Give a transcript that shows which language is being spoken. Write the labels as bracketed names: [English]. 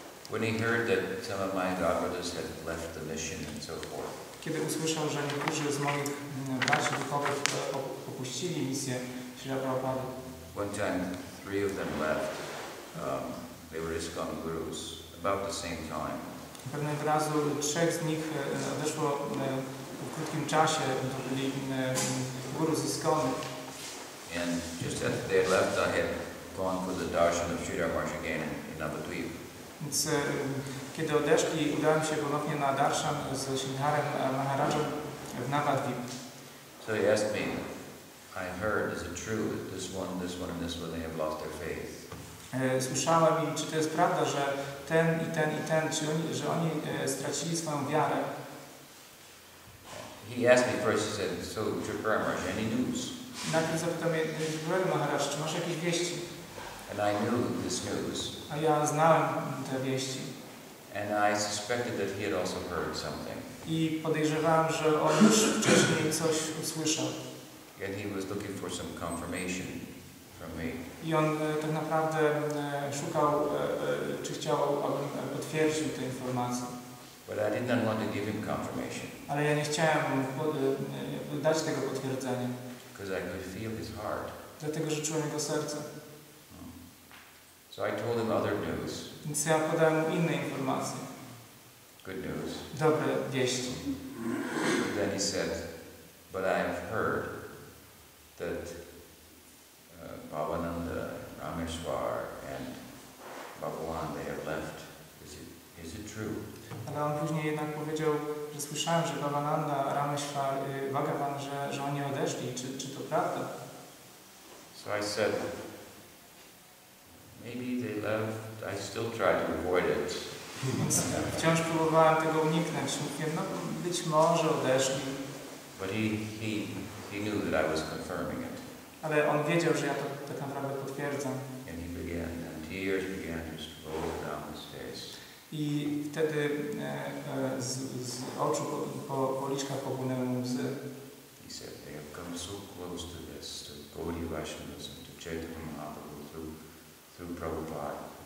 [English] When he heard that some of my godbrothers had left the mission and so forth. [Polish] Kiedy usłyszał, że niektórzy z moich braci duchowych opuścili misję Śrila Prabhupada. [English] One time, three of them left. They were ISKCON gurus. About the same time. [Polish] Pewnego razu trzech z nich odeszło w krótkim czasie. To byli guru z ISKCON. [English] And just after they left, I had gone for the darshan of Śrila Prabhupada again in Navadvipa. [Polish] Więc kiedy odeszli, udałem się ponownie na darshan z Śrīdhārem Maharajem w Navadvip. [English] So he asked me, I heard, is it true that this one and this one, they have lost their faith? [Polish] Słyszałem i czy to jest prawda, że ten i ten i ten, czy oni, że oni stracili swoją wiarę? [English] He asked me first, he said, so Śrīdhār Maharaj, any news? [Polish] Najpierw zapytał mnie, Śrīdhār Maharaj, czy masz jakieś wieści? [English] And I knew this news. [Polish] A ja znałem te wieści. [English] And I suspected that he had also heard something. [Polish] I podejrzewałem, że on już wcześniej coś usłyszał. [English] And he was looking for some confirmation from me. [Polish] I on tak naprawdę szukał, czy chciał, abym potwierdził tę informację. [English] But I did not want to give him confirmation. [Polish] Ale ja nie chciałem dać tego potwierdzenia. [English] Because I could feel his heart. [Polish] Dlatego, że czułem jego serce. [English] So I told him other news. [Polish] Więc ja podałem mu inne informacje. [English] Good news. [Polish] Dobre wieści. [English] But then he said, but I have heard that Bhavananda, Rameshwar and Bhagwan, they have left. Is it true? [Polish] Ale on później jednak powiedział, że słyszałem, że Bhavananda, Rameshwar, Bhagavan, że oni odeszli. Czy to prawda? [English] So I said, maybe they left. I still try to avoid it. [Polish] Wciąż próbowałem tego uniknąć. No, być może odeszli. [English] But he knew that I was confirming it. [Polish] Ale on wiedział, że ja to tak naprawdę potwierdzam. [English] And he began, and tears began to roll down his face. [Polish] I wtedy z oczu po liczkach popłynęły łzy. [English] He said, they have come so close to this, to Gaudiya Vaishnavism, to Chaitanya Mahaprabhu through Prabhupada.